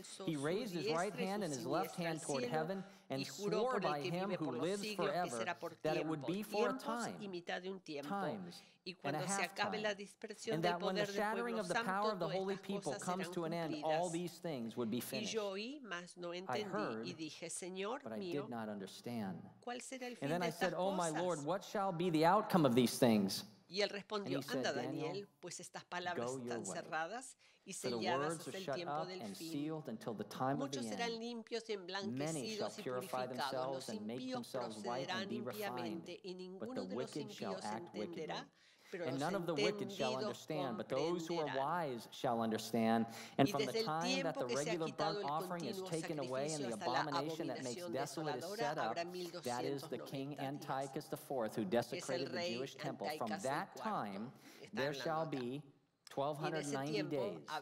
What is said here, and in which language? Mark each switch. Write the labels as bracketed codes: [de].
[en] He raised his right hand and his left hand toward heaven, and swore by him who lives forever that it would be for a time, times, and a half time, and that when the shattering of the power of the holy people comes to an end, all these things would be finished. I heard, but I did not understand. And then I said, oh, my Lord, what shall be the outcome of these things? [es] Y él respondió, anda, Daniel, pues estas palabras están cerradas y selladas hasta el tiempo del fin. Muchos serán limpios, emblanquecidos y purificados. Los impíos procederán impíamente y ninguno de los impíos entenderá. [en] And none of the wicked shall understand, but those who are wise shall understand. And from the time that the regular burnt offering is taken away and the abomination that makes desolate is set up, that is the king Antiochus IV who desecrated the Jewish temple, from that time there shall be 1290 days.